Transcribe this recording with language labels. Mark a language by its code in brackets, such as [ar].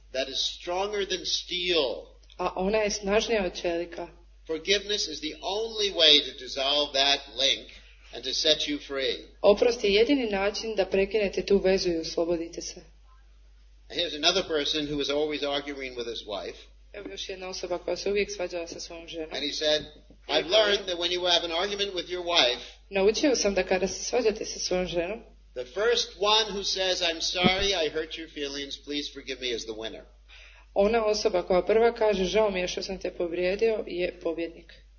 [en] That is stronger than steel. [hr] A ona je snažnija od čelika. [en] Forgiveness is the only way to dissolve that link and to set you free. [hr] Oprost je jedini način da prekinete tu vezu i oslobodite se. [en] And here's another person who was always arguing with his wife. [hr] Evo još jedna osoba koja se uvijek svađala sa svojom ženom. [en] And he said, "I've learned that when you have an argument with your wife," [hr] naučio sam da kada se svađate sa svojom ženom, [en] "the first one who says, 'I'm sorry, I hurt your feelings, please forgive me,' is the winner." [hr] Ona osoba koja prva kaže, žao mi je što sam te povrijedio, je pobjednik.